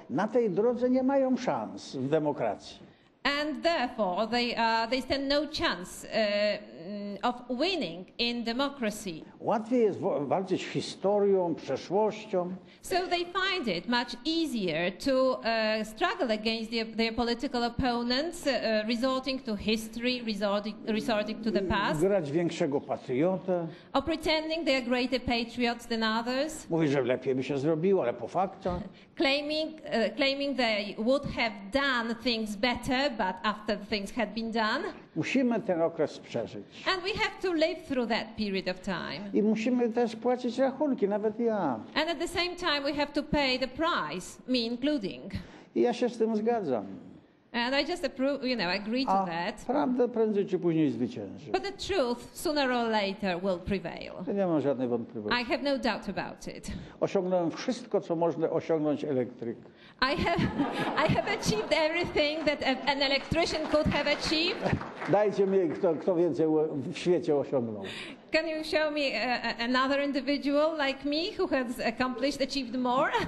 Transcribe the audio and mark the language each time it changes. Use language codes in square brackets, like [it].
[pl] Na tej drodze nie mają szans w demokracji. [en] And therefore they stand no chance of winning in democracy. [pl] Łatwiej jest walczyć historią, przeszłością. [en] So they find it much easier to struggle against their political opponents, resorting to history, resorting to the past. [pl] Grać większego patriota. [en] Or pretending they are greater patriots than others. [pl] Mówi, że lepiej by się zrobiło, ale po fakcie. [en] Claiming they would have done things better, but after things had been done. [pl] Musimy ten okres przeżyć. [en] And we have to live through that period of time. [pl] I musimy też płacić rachunki, nawet ja. [en] And at the same time we have to pay the price, me including. [pl] I ja się z tym zgadzam. [en] And I just approve, you know, agree to that. [pl] Prawda prędzej czy później zwycięży. [en] But the truth sooner or later will prevail. [pl] Nie mam żadnej wątpliwości. [en] I have no doubt about it. [pl] Osiągnąłem wszystko, co można osiągnąć elektryk. [en] I have achieved everything that an electrician could have achieved. [pl] Dajcie mi, kto więcej w świecie osiągnął. [en] Can you show me another individual like me who has achieved more?